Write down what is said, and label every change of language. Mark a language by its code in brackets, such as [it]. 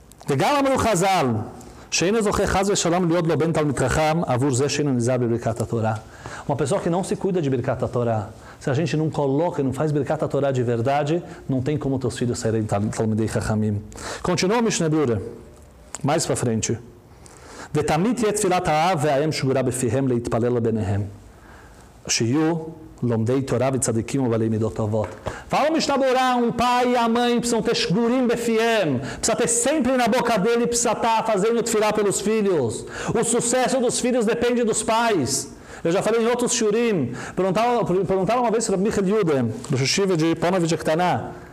[he] וגם אמרו חז"ל שאינו זוכה חס ושלום להיות לו בן תלמיד חכם עבור זה שאינו נזהר בברכת התורה. [pt] Uma pessoa que não se cuida de [he] ברכת התורה, [pt] se a gente não coloca, não faz ברכת התורה de verdade, não tem como teus filhos serem [he] תלמידי חכמים. [pt] Continua o משנה ברורה, mais para frente. [he] ותמיד תהיה תפילת האב והאם שגורה בפיהם להתפלל לביניהם. שיהיו לומדי תורה וצדיקים ובעלי מידות טובות. [pt] Fala o Mishná Brurá, um pai e a mãe precisam ter [he] shgurim befiem. [pt] Precisa ter sempre na boca dele, precisa estar fazendo tefilá pelos filhos. O sucesso dos filhos depende dos pais. Eu já falei em outros shurim. Perguntaram uma vez para o Michel Yude, do Shushiva de Pona Vijaktaná.